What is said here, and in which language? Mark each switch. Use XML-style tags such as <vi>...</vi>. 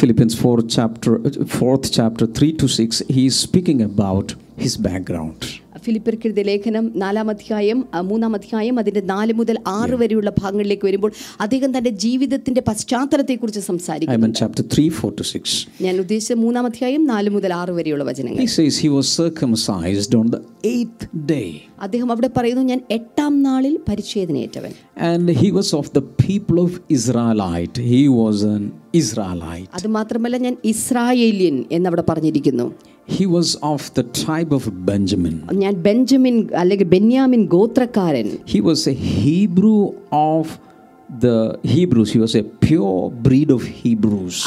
<en>Philippians 4:3-6, he is speaking about his background.</en> <ml>ഫിലിപ്പിയർക്ക് എഴുതിയ ലേഖനം 4:3 അതിൻ്റെ 4-6 വരെയുള്ള ഭാഗങ്ങളിലേക്ക് വരുമ്പോൾ അദ്ദേഹം തൻ്റെ ജീവിതത്തിൻ്റെ പശ്ചാത്തലത്തെ കുറിച്ച് സംസാരിക്കുന്നു.</ml> <en>Chapter 3, 4-6.</en> <ml>ഞാൻ ഉദ്ദേശിച്ച 3:4 വരെയുള്ള വചനങ്ങൾ.</ml> <en>He says he was circumcised on the 8th day.</en> <ml>അദ്ദേഹം അവിടെ പറയുന്നു, ഞാൻ 8-ാം നാളിൽ പരിച്ഛേദനയേറ്റവൻ.</ml> <en>And he was of the people of Israelite. He was an Israelite.</en> <ml>അത് മാത്രമല്ല, ഞാൻ ഇസ്രായേലിയൻ എന്ന് അവിടെ പറഞ്ഞിരിക്കുന്നു.</ml> <en>He was of the tribe of Benjamin.</en> <ml>ഞാൻ ബെഞ്ചമിൻ അല്ലെങ്കിൽ Benyamin ഗോത്രക്കാരൻ.</ml> <en>He was a Hebrew of the Hebrews. He was a pure breed of Hebrews.</en>